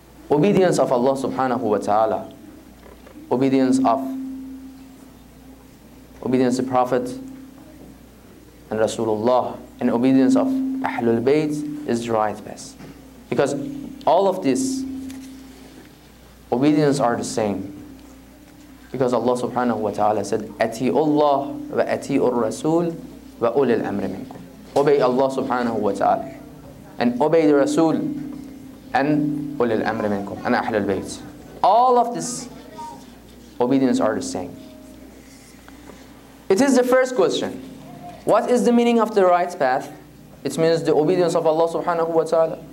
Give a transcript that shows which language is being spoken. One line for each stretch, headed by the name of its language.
English: Obedience of Allah subhanahu wa ta'ala. Obedience of Prophet and Rasulullah, and obedience of Ahlul Bayt is the right path. Because all of this obedience are the same. Because Allah subhanahu wa ta'ala said,
Arabic: أَتِيُوا اللَّهَ وَأَتِيُوا الرَّسُولَ وَأُولِي الْأَمْرِ مِنْكُمْ.
English: Obey Allah subhanahu wa ta'ala, and obey the Rasul, and
Arabic: أُولِي الْأَمْرِ مِنْكُمْ
English: and
Arabic: أَحْلُ الْبَيْتِ.
English: All of this obedience are the same. It is the first question. What is the meaning of the right path? It means the obedience of Allah subhanahu wa ta'ala.